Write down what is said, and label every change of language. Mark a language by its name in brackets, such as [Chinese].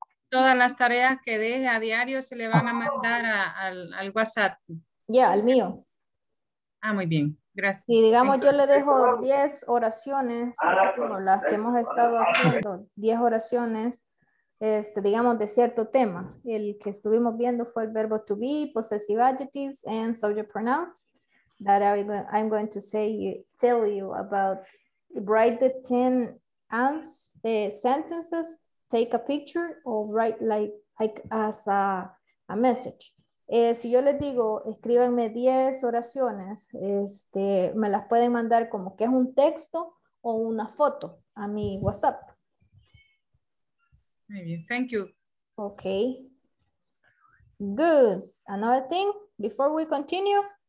[Spanish] Todas las tareas que deje a diario se le van a mandar al WhatsApp. Yeah, al mío. Ah, muy bien. Gracias. Y digamos, yo le dejo 10 oraciones, las que hemos estado haciendo, 10 oraciones, digamos, de cierto tema. El que estuvimos viendo fue el verbo [English] to be, possessive adjectives, and subject pronouns. That I'm going to say tell you about write the 10 sentences take a picture or write like as a message. [Spanish] Si yo les digo, escríbanme 10 oraciones, me las pueden mandar como que es un texto o una foto a mi WhatsApp. Muy bien, [English] thank you. Okay. Good. Another thing, before we continue.